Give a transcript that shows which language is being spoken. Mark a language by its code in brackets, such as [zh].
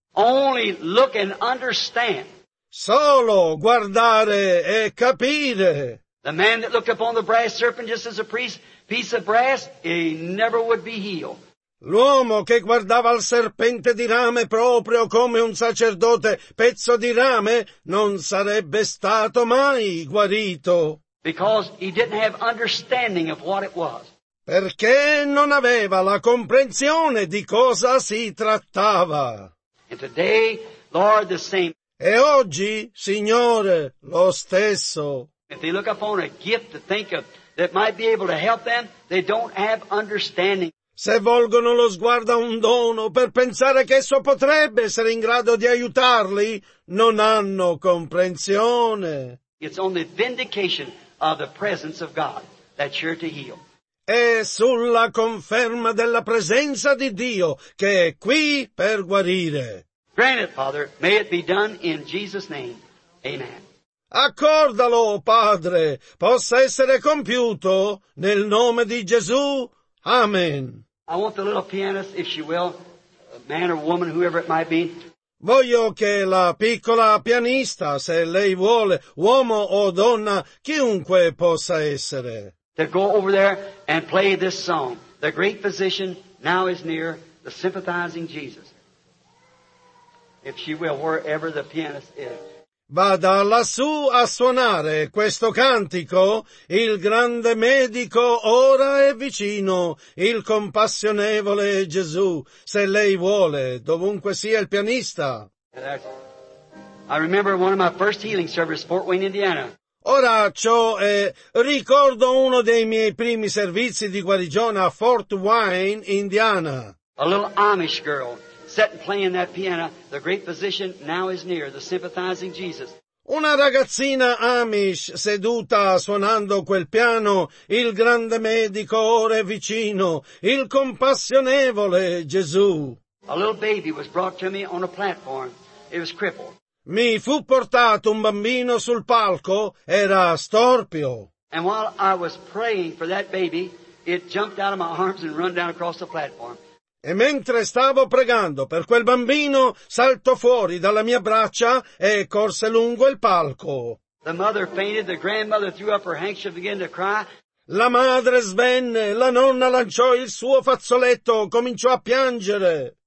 [en] Only look and understand. [it] Solo guardare e capire. [en] The man that looked upon the brass serpent just as a priest, piece of brass, he never would be healed. [it] L'uomo che guardava il serpente di rame proprio come un sacerdote pezzo di rame non sarebbe stato mai guarito. [en] Because he didn't have understanding of what it was. [it] Perché non aveva la comprensione di cosa si trattava. [en] And today, Lord, the same. [it] E oggi, Signore, lo stesso. [en] If they look upon a gift to think of that might be able to help them, they don't have understanding. [it] Se volgono lo sguardo a un dono per pensare che esso potrebbe essere in grado di aiutarli, non hanno comprensione. [en] It's only vindication of the presence of God that's here to heal. [it] È sulla conferma della presenza di Dio che è qui per guarire. [en] Grant it, Father, may it be done in Jesus' name. Amen. [it] Accordalo, Padre, possa essere compiuto nel nome di Gesù. Amen. [en] I want the little pianist, if she will, man or woman, whoever it might be. [it] Voglio che la piccola pianista, se lei vuole, uomo o donna, chiunque possa essere. [en] To go over there and play this song. The great physician now is near, the sympathizing Jesus. If she will, wherever the pianist is. [it] Vada lassù a suonare questo cantico, il grande medico ora è vicino, il compassionevole Gesù, se lei vuole, dovunque sia il pianista. [en] I remember one of my first healing services, Fort Wayne, Indiana. [it] Ora ciò è, ricordo uno dei miei primi servizi di guarigione a Fort Wayne, Indiana. [en] A little Amish girl. Set and playing that piano, the great physician now is near, the sympathizing Jesus. [it] Una ragazzina Amish seduta suonando quel piano, il grande medico ora è vicino, il compassionevole Gesù. [en] A little baby was brought to me on a platform. It was crippled. [it] Mi fu portato un bambino sul palco, era storpio. [en] And while I was praying for that baby, it jumped out of my arms and run down across the platform. [it] E mentre stavo pregando per quel bambino, saltò fuori dalla mia braccia e corse lungo il palco. [en] The mother fainted, the grandmother threw up her handkerchief and began to cry. [it] La madre svenne, la nonna lanciò il suo fazzoletto, cominciò a piangere.